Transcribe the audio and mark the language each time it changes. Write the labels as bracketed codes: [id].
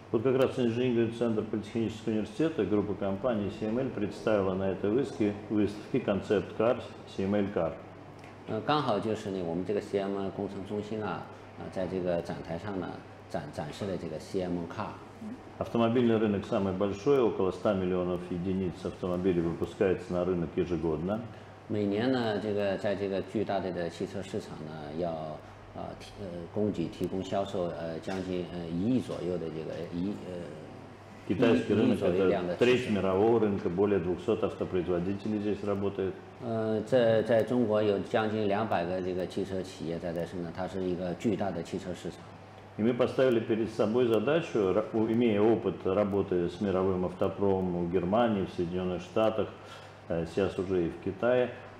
[ru] Вот как раз инженерный центр Политехнического университета, группа компаний CML представила на этой выставке концепт CAR, CML CAR. [zh] 刚好就是呢，我们这个 CML 工程中心啊，在这个展台上呢，展示了这个 CML CAR. [ru] Автомобильный рынок самый большой, около 100 миллионов единиц автомобилей выпускается на рынок ежегодно. [zh] 每年呢，这个在这个巨大的汽车市场呢，要供给提供销售将近一亿左右的这个一亿。 [ru] китайский рынок это треть мирового рынка, более 200 автопроизводителей здесь работает. [zh] 在中国有将近200个这个汽车企业在生产，它是一个巨大的汽车市场。 [ru] И мы поставили перед собой задачу, имея опыт работы с мировым автопромом в Германии, в Соединенных Штатах, сейчас уже и в Китае.